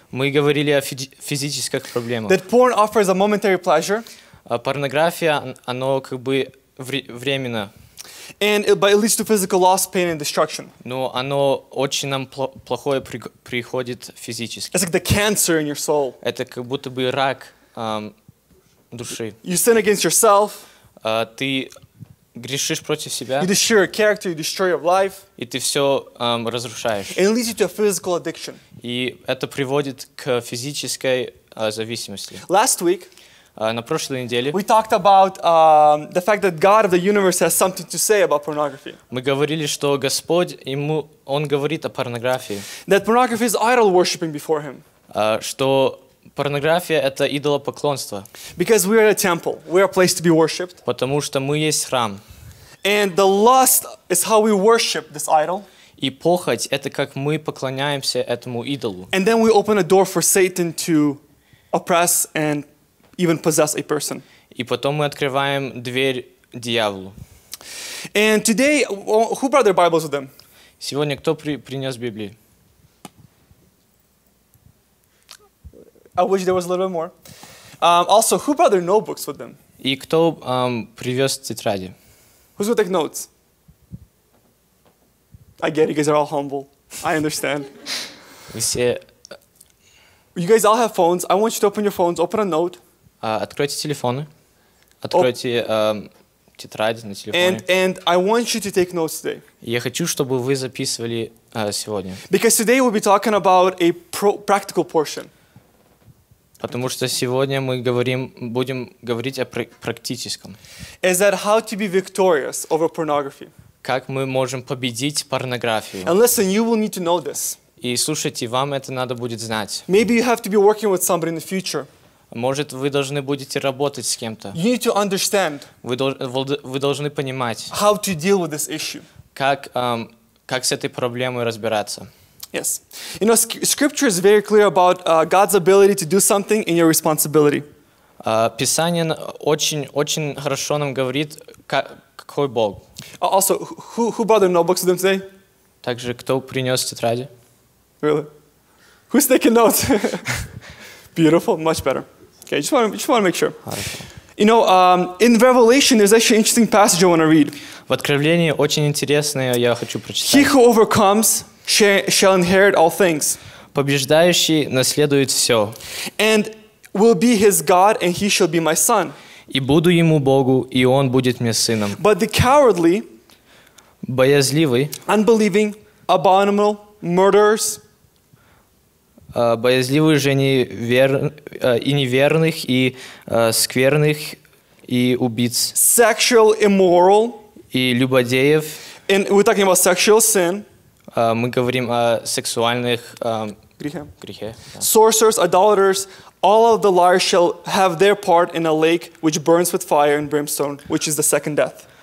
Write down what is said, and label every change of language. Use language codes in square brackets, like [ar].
[ru] Мы говорили о физических проблемах. [en] That porn offers a momentary pleasure. [ru] Порнография, оно как бы временно. [en] And it leads to physical loss, pain, and destruction. [ru] Но оно очень нам плохое приходит физически. [en] It's like the cancer in your soul. [ru] Это как будто бы рак души. [en] You sin against yourself. [ru] Ты грешишь против себя. [en] You destroy your character. You destroy your life. [ru] И ты все разрушаешь. [en] And it leads you to a physical addiction. [ru] И это приводит к физической зависимости. [en] Last week. [ru] На прошлой неделе [en] we talked about the fact that God of the universe has something to say about pornography. [ru] Мы говорили, что Господь ему он говорит о порнографии. [en] That pornography is idol worshiping before him. [ru] Что порнография это идолопоклонство. [en] Because we are a temple, we are a place to be worshipped. [ru] Потому что мы есть храм. [en] And the lust is how we worship this idol. [ru] И похоть это как мы поклоняемся этому идолу. [en] And then we open a door for Satan to oppress and even possess a person. [ru] И потом мы открываем дверь дьяволу. [en] And today, who brought their Bibles with them? [ru] Сегодня кто принес Библии? [en] I wish there was a little bit more. Also, who brought their notebooks with them? [ru] И кто привез тетради? [en] Who's gonna take notes? I get it, you guys are all humble. I understand. [ru] Все. [en] You guys all have phones. I want you to open your phones, open a note. [ru] Откройте телефоны, откройте тетради на телефоне. [en] And I want you to take notes today. [ru] Я хочу, чтобы вы записывали сегодня. [en] Because today we'll be talking about a practical portion. [ru] Потому что сегодня мы будем говорить о практическом. [en] Is that how to be victorious over pornography? [ru] как мы можем победить порнографию. [en] And listen, you will need to know this. [ru] И слушайте, вам это надо будет знать. [en] Maybe you have to be working with somebody in the future. [ru] Может, вы должны будете работать с кем-то. [en] You need to understand. [ru] Вы должны понимать. [en] How to deal with this issue. [ru] Как с этой проблемой разбираться? [en] Yes. You know, scripture is very clear about God's ability to do something and your responsibility. [ru] Писание очень хорошо нам говорит, какой Бог. [en] Also, who brought their notebooks with them today? [ru] Также, кто принес тетради? [en] Really? Who's taking notes? Beautiful, much better. Okay, just want to make sure. You know, in Revelation, there's actually an interesting passage I want to read. [ru] В Откровении очень интересное я хочу прочитать. [en] He who overcomes shall inherit all things. [ru] Побеждающий наследует все. [en] And will be his God, and he shall be my son. [ru] И буду ему Богу, и он будет мне сыном. [en] But the cowardly, [ru] боязливый, [en] unbelieving, abominable, murderers. [ru] Боязливых же и неверных, и скверных, и убийц. [en] Sexual immoral. [ru] И любодеев. [en] And we're talking about sexual sin. [ru] Мы говорим о сексуальных грехе. [en] Sorcerers, idolaters, all of the liars shall have their part in a lake which burns with fire and brimstone, which is the second death.